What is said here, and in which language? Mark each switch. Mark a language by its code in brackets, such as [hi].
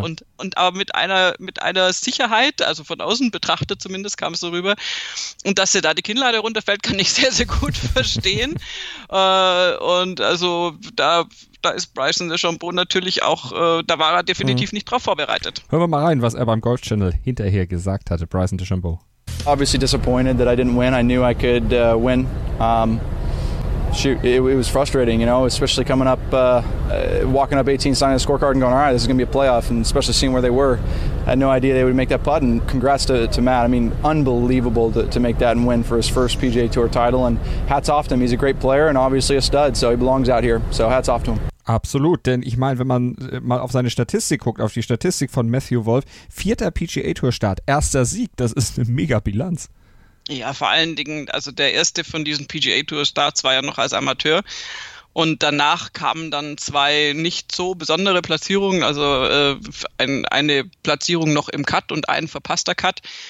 [de] Und aber mit einer Sicherheit, also von außen betrachtet zumindest, kam es so rüber. Und dass er da die Kinnlade runterfällt, kann ich sehr, sehr gut verstehen. und also da ist Bryson DeChambeau natürlich auch, da war er definitiv nicht drauf vorbereitet. Hören wir mal rein, was er beim Golf Channel hinterher gesagt hatte, Bryson DeChambeau. [en] Obviously disappointed that I didn't win. I knew I could win. It was frustrating, you know, especially coming up, walking up 18, signing the scorecard and going, all right, this is going to be a playoff, and especially seeing where they were. I had no idea they would make that putt, and congrats to Matt. I mean, unbelievable to make that and win for his first PGA Tour title, and hats off to him. He's a great player and obviously a stud, so he belongs out here. So hats off to him. [de] Absolut, denn ich meine, wenn man mal auf seine Statistik guckt, auf die Statistik von Matthew Wolff, vierter PGA Tour Start, erster Sieg, das ist eine mega Bilanz. Ja, vor allen Dingen, also der erste von diesen PGA Tour Starts war ja noch als Amateur und danach kamen dann zwei nicht so besondere Platzierungen, also eine Platzierung noch im Cut und ein verpasster Cut.